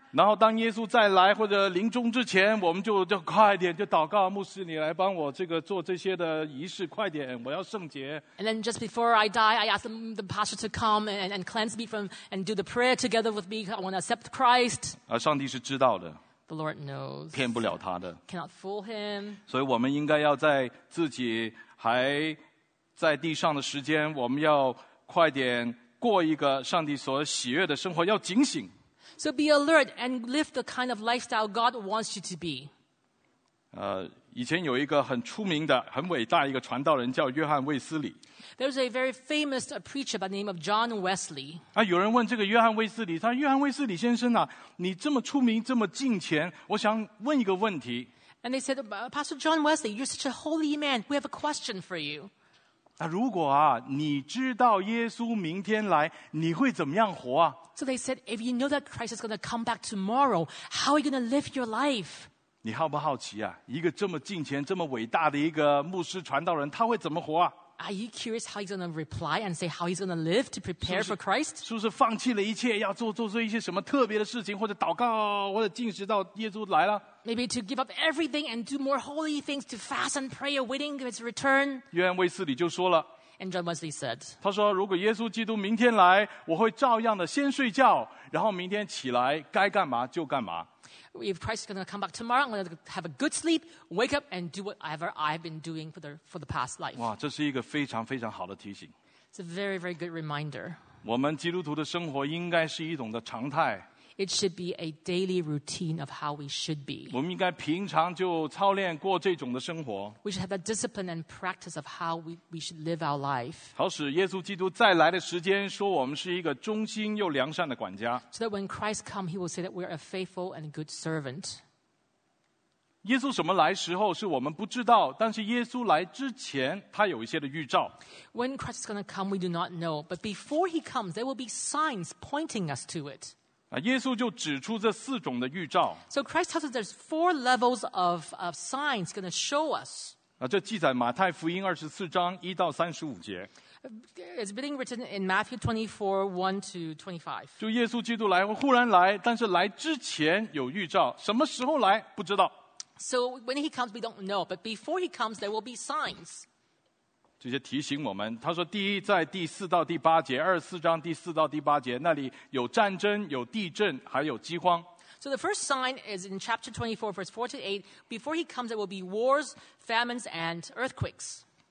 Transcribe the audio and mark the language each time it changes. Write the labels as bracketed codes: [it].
[zh] 然后当耶稣再来或者临终之前，我们就快点就祷告，牧师你来帮我这个做这些的仪式，快点，我要圣洁。 [en] And then just before I die, I ask the pastor to come and cleanse me from and do the prayer together with me. I want to accept Christ. [zh] 而上帝是知道的。 [en] The Lord knows. [zh] 骗不了他的。 [en] Cannot fool him. [zh] 所以我们应该要在自己还在地上的时间，我们要快点过一个上帝所喜悦的生活，要警醒。 [en] So be alert and live the kind of lifestyle God wants you to be. [zh] 以前有一个很出名的、很伟大一个传道人叫约翰·卫斯理。 [en] There's a very famous preacher by the name of John Wesley. [zh] 啊，有人问这个约翰·卫斯理，他说：“约翰·卫斯理先生啊，你这么出名、这么敬虔，我想问一个问题。” [en] And they said, Pastor John Wesley, you're such a holy man. We have a question for you. [zh] 那如果啊，你知道耶稣明天来，你会怎么样活啊？ [en] So they said, if you know that Christ is going to come back tomorrow, how are you going to live your life? [zh] 你好不好奇啊？一个这么敬虔、这么伟大的一个牧师传道人，他会怎么活啊 [en] ？Are you curious how he's going to reply and say how he's going to live to prepare for Christ？ [zh] 是不是放弃了一切，要做一些什么特别的事情，或者祷告，或者禁食到耶稣来了 [en] ？Maybe to give up everything and do more holy things to fast and pray, awaiting his return。 [zh] 约翰卫斯理就说了 [en] ，And John Wesley said， [zh] 他说：“如果耶稣基督明天来，我会照样的先睡觉，然后明天起来该干嘛就干嘛。” [en] If Christ is going to come back tomorrow, I'm going to have a good sleep, wake up, and do whatever I've been doing for the past life. [zh] 哇，这是一个非常非常好的提醒。 [en] It's a very, very good reminder. [zh] 我们基督徒的生活应该是一种的常态。 [en] It should be a daily routine of how we should be. [zh] 我们应该平常就操练过这种的生活。 [en] We should have the discipline and practice of how we should live our life. [zh] 好使耶稣基督再来的时间说我们是一个忠心又良善的管家。 [en] So that when Christ comes, he will say that we are a faithful and good servant. [zh] 耶稣什么来时候是我们不知道，但是耶稣来之前他有一些的预兆。 [en] When Christ is going to come, we do not know. But before he comes, there will be signs pointing us to it. [zh] 耶稣就指出这四种的预兆。 [en] So Christ tells us there's four levels of signs going to show us. [zh] 这记载马太福音24:1-35。 [en] It's being written in Matthew 24:1-25. [zh] 就耶稣基督来，忽然来，但是来之前有预兆，什么时候来不知道。 [en] So when he comes, we don't know. But before he comes, there will be signs. [zh] 这些提醒我们，他说第一在4-8节，24:4-8节，那里有战争，有地震，还有饥荒。 [en] So the first sign is in chapter 24:4-8, before he comes there will be wars, famines, and earthquakes.